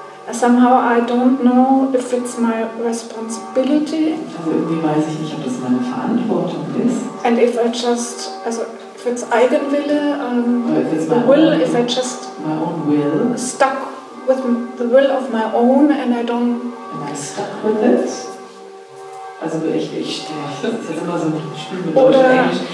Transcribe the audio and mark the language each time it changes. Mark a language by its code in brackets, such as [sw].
[en] Somehow I don't know if it's my responsibility. [de] Also irgendwie weiß ich nicht, ob das meine Verantwortung ist. [en] And if I just, also if it's Eigenwille, if I just my own will, stuck with the will of my own and I don't. Am I stuck with it? [de] Also ich stehe. Das ist immer so ein Spiel mit Deutsch-Englisch.